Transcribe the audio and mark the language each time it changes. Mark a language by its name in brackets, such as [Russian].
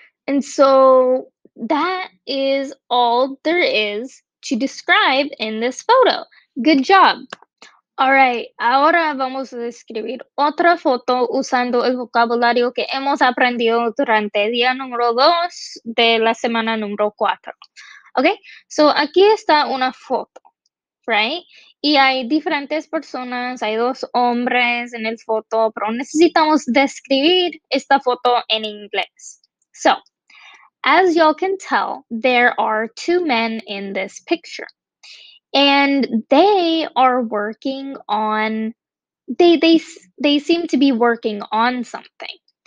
[English] And so that is all there is to describe in this photo. Good job. All right, [Spanish] ahora vamos a describir otra foto usando el vocabulario que hemos aprendido durante día número 2 de la semana número 4. [English] Okay, so [Spanish] aquí está una foto, [English] right? [Spanish] Y hay diferentes personas, hay dos hombres en el foto, pero necesitamos describir esta foto en inglés. [English] So, as y'all can tell, there are two men in this picture. And they are working on, they seem to be working on something.